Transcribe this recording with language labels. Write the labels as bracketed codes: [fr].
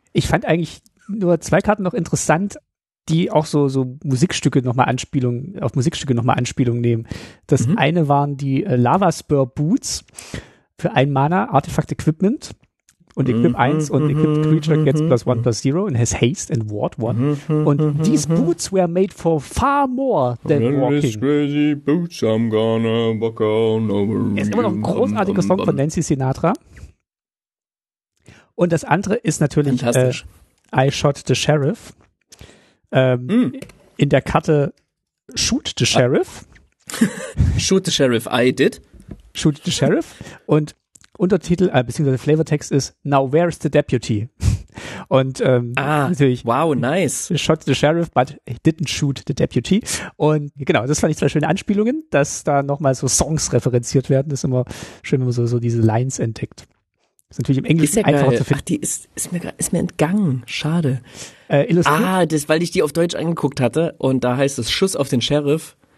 [de] Ich fand eigentlich nur zwei Karten noch interessant, die auch so Musikstücke nochmal Anspielung nehmen. Das eine waren die Lava Spur Boots für ein Mana, Artifact Equipment und Equip 1 und Equip [en] Creature gets +1/+0 and has haste and ward 1. Und these boots were made for far more than walking. These crazy boots, I'm gonna walk on over. [de] Es ist immer noch ein großartiger Song von Nancy Sinatra. Und das andere ist natürlich I Shot the Sheriff. In der Karte Shoot the Sheriff. [en] Shoot the Sheriff, I did. Shoot the Sheriff. [de] Und Untertitel, beziehungsweise Flavortext ist [en] Now Where is the Deputy? [de] Und natürlich, [en] wow, nice. Shot the Sheriff, but he didn't shoot the Deputy. [de] Und genau, das fand ich zwei schöne Anspielungen, dass da nochmal so Songs referenziert werden. Das ist immer schön, wenn man so diese Lines entdeckt. Das ist natürlich im Englischen ist ja einfacher geil zu finden. Ach, die ist mir entgangen. Schade. Das, weil ich die auf Deutsch angeguckt hatte und da heißt es Schuss auf den Sheriff.